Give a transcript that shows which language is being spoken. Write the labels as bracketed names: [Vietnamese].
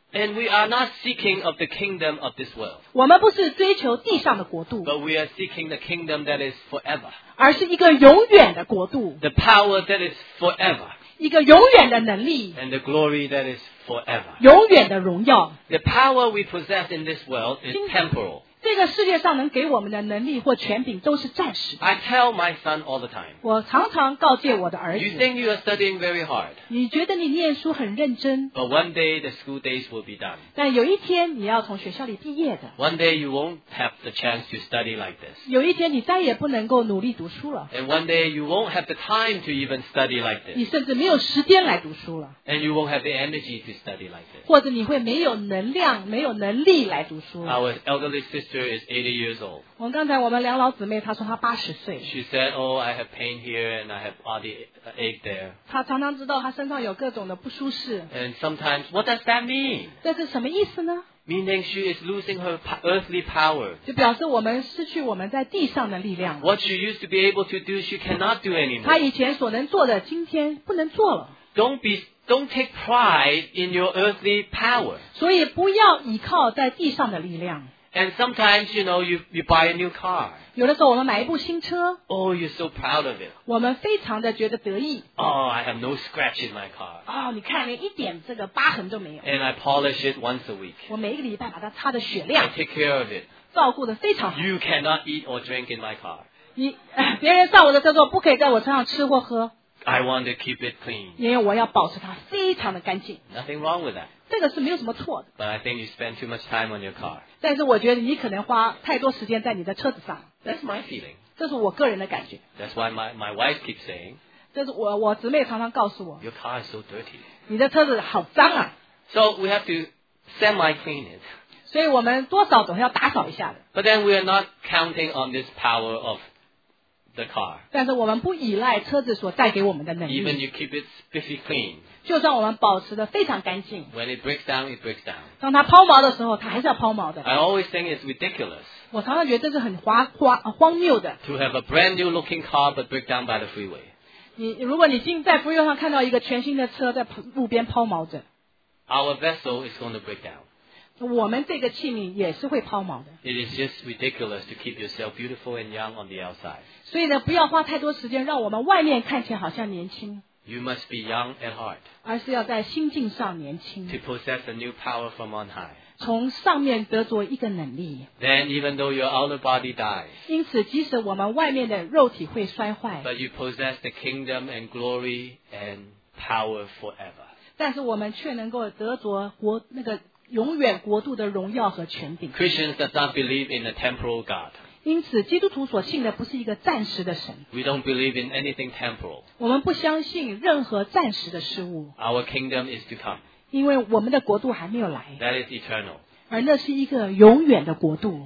[English] And we are not seeking of the kingdom of this world. [Chinese] 我们不是追求地上的国度。 [English] But we are seeking the kingdom that is forever. [Chinese] 而是一个永远的国度。 [English] The power that is forever. [Chinese] 一个永远的能力。 [English] And the glory that is forever. [Chinese] 永远的荣耀。 [English] The power we possess in this world is temporal. [Chinese] 这个世界上能给我们的能力或权柄都是暂时的。 [English] I tell my son all the time. [Chinese] 我常常告诫我的儿子。 [English] You think you are studying very hard. [Chinese] 你觉得你念书很认真。 [English] But one day the school days will be done. [Chinese] 但有一天你要从学校里毕业的。 [English] One day you won't have the chance to study like this. [Chinese] 有一天你再也不能够努力读书了。 [English] And one day you won't have the time to even study like this. [Chinese] 你甚至没有时间来读书了。 [English] And you won't have the energy to study like this. [Chinese] 或者你会没有能量、没有能力来读书 [English] 了。Our elderly sister is 80 years old. [Chinese] 我刚才我们两老姊妹她说她80岁。 [English] She said, "Oh, I have pain here and I have body ache there." [Chinese] 她常常知道她身上有各种的不舒适。 [English] And sometimes, what does that mean? [Chinese] 这是什么意思呢？ [English] Meaning she is losing her earthly power. [Chinese] 就表示我们失去我们在地上的力量。 [English] What she used to be able to do, she cannot do anymore. [Chinese] 她以前所能做的，今天不能做了。 [English] Don't take pride in your earthly power. [Chinese] 所以不要依靠在地上的力量。 [English] And sometimes, you know, you buy a new car. [Chinese] 有的时候我们买一部新车。 [English] Oh, you're so proud of it. [Chinese] 我们非常的觉得得意。 [English] Oh, I have no scratch in my car. [Chinese] 哦，你看连一点这个疤痕都没有。 [English] And I polish it once a week. [Chinese] 我每一个礼拜把它擦得雪亮。 [English] I take care of it. [Chinese] 照顾得非常好。 [English] You cannot eat or drink in my car. [Chinese] 别人上我的车坐，不可以在我车上吃或喝。 [English] I want to keep it clean. [Chinese] 因为我要保持它非常的干净。 [English] Nothing wrong with that. [Chinese] 这个是没有什么错的。 [English] But I think you spend too much time on your car. [Chinese] 但是我觉得你可能花太多时间在你的车子上。 [English] That's my feeling. [Chinese] 这是我个人的感觉。 [English] That's why my wife keeps saying. [Chinese] 这是我姊妹常常告诉我。 [English] Your car is so dirty. [Chinese] 你的车子好脏啊。 [English] So we have to semi-clean it. [Chinese] 所以我们多少总要打扫一下的。 [English] But then we are not counting on this power of the car. [Chinese] 但是我们不依赖车子所带给我们的能力。 [English] Even you keep it spiffy clean. [Chinese] 就算我们保持得非常干净 [English] When it breaks down, it breaks down. [Chinese] 当它抛锚的时候它还是要抛锚的 [English] I always think it's ridiculous. [Chinese] 我常常觉得这是很荒谬的 [English] To have a brand new looking car but break down by the freeway. [Chinese] 如果你在 freeway 上看到一个全新的车在路边抛锚着 [English] Our vessel is going to break down. [Chinese] 我们这个器皿也是会抛锚的 [English] It is just ridiculous to keep yourself beautiful and young on the outside. [Chinese] 所以呢不要花太多时间让我们外面看起来好像年轻 [English] You must be young at heart. [Chinese] 而是要在心境上年轻。 [English] To possess a new power from on high. [Chinese] 从上面得着一个能力。 [English] Then even though your outer body dies. [Chinese] 因此即使我们外面的肉体会衰坏。 [English] But you possess the kingdom and glory and power forever. [Chinese] 但是我们却能够得着那个永远国度的荣耀和权柄。 [English] Christians does not believe in a temporal God. [Chinese] 因此基督徒所信的不是一个暂时的神。 [English] We don't believe in anything temporal. [Chinese] 我们不相信任何暂时的事物。 [English] Our kingdom is to come. [Chinese] 因为我们的国度还没有来。 [English] That is eternal. [Chinese] 而那是一个永远的国度。